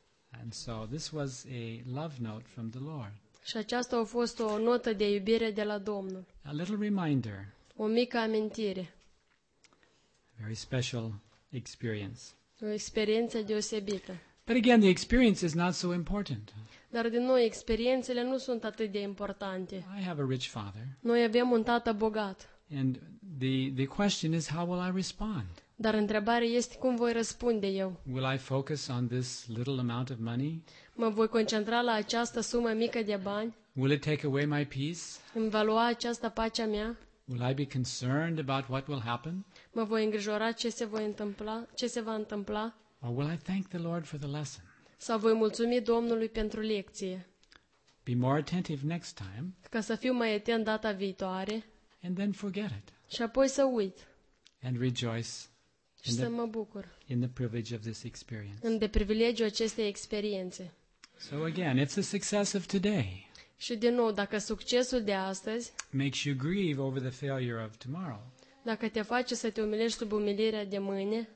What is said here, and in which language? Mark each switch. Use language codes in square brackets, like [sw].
[en] And so this was a love note from the Lord. [ro] Și aceasta a fost o notă de iubire de la Domnul. [en] A little reminder. [ro] O mică amintire. [en] A very special experience. [ro] O experiență deosebită. [en] But again, the experience is not so important. [ro] Dar din noi experiențele nu sunt atât de importante. [en] I have a rich father. [ro] Noi avem un tată bogat. [en] And the question is how will I respond? [ro] Dar întrebarea este cum voi răspunde eu? [en] Will I focus on this little amount of money? [ro] Mă voi concentra la această sumă mică de bani? [en] Will it take away my peace? [ro] Îmi va lua această pacea mea? [en] Will I be concerned about what will happen? [ro] Mă voi îngrijora ce se va întâmpla? [en] Or will I thank the Lord for the lesson? [ro] Sau voi mulțumi Domnului pentru lecție? [en] Be more attentive next time. [ro] Ca să fiu mai atent data viitoare. [en] And then forget it. [ro] Și apoi să uit. [en] And rejoice. [ro] Și să mă bucur. [en] In the privilege of this experience. [ro] În de privilegiul acestei experiențe. [en] So again, it's the success of today. [ro] Și din nou, dacă succesul de astăzi. [en] Makes you grieve over the failure of tomorrow. [ro] Dacă te face să te umilești sub umilirea de mâine.